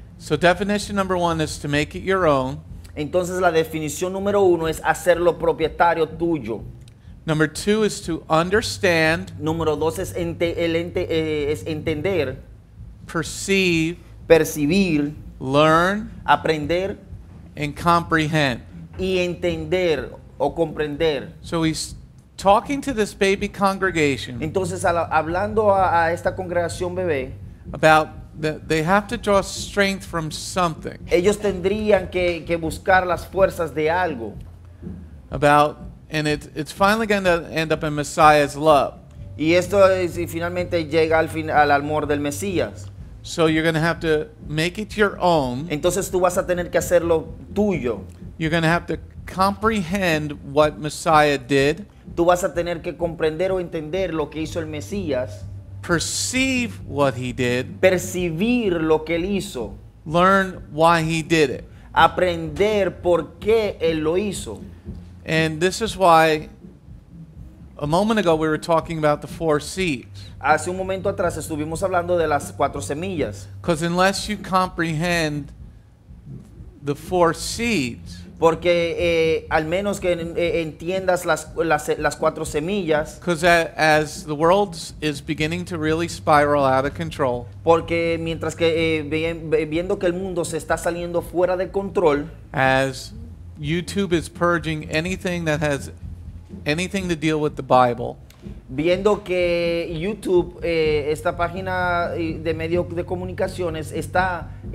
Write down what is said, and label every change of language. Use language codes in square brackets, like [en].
[en] So definition number one is to make it your own. [es] Entonces la definición número uno es hacerlo propietario tuyo. [en] Number two is to understand. [es] Número dos es es entender. [en] Perceive. [es] Percibir. [en] Learn. [es] Aprender. [en] And comprehend. [es] Y entender o comprender. [en] So he's talking to this baby congregation. [es] Entonces hablando a esta congregación bebé. [en] About they have to draw strength from something. [es] Ellos tendrían que buscar las fuerzas de algo. [en] About, and it's finally going to end up in Messiah's love. [es] Y esto es, y finalmente llega al amor del Mesías. [en] So you're going to have to make it your own. [es] Entonces tú vas a tener que hacerlo tuyo. [en] You're going to have to comprehend what Messiah did. [es] Tú vas a tener que comprender o entender lo que hizo el Mesías. [en] Perceive what he did. [es] Percibir lo que él hizo. [en] Learn why he did it. [es] Aprender por qué él lo hizo. [en] And this is why a moment ago we were talking about the four seeds. [es] Hace un momento atrás estuvimos hablando de las cuatro semillas. [en] Because unless you comprehend the four seeds. [es] Porque al menos que entiendas las cuatro semillas. [en] Because as the world is beginning to really spiral out of control. [es] Porque mientras que viendo que el mundo se está saliendo fuera de control. [en] As YouTube is purging anything that has anything to deal with the Bible. [es] Viendo que YouTube, esta página de medio de comunicaciones está...